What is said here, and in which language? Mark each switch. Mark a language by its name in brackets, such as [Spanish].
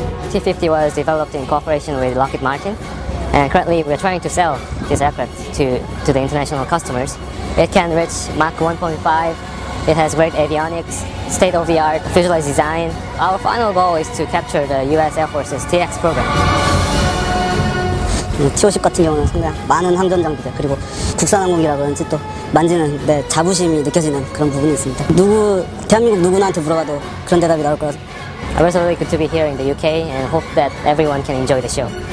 [English] T-50 was developed in cooperation with Lockheed Martin, and currently we are trying to sell this aircraft to the international customers. It can reach Mach 1.5, it has great avionics, state-of-the-art fuselage design. Our final goal is to capture the US Air Force's T-X program. [Korean] T-50 같은 경우는 상당히 많은 항전 장비들, 그리고 국산 항공기라 그런지 또 만지는 내 자부심이 느껴지는 그런 부분이 있습니다. 대한민국 누구나한테 물어봐도 그런 대답이 나올 거라서 [English] I'm also really good to be here in the UK and hope that everyone can enjoy the show.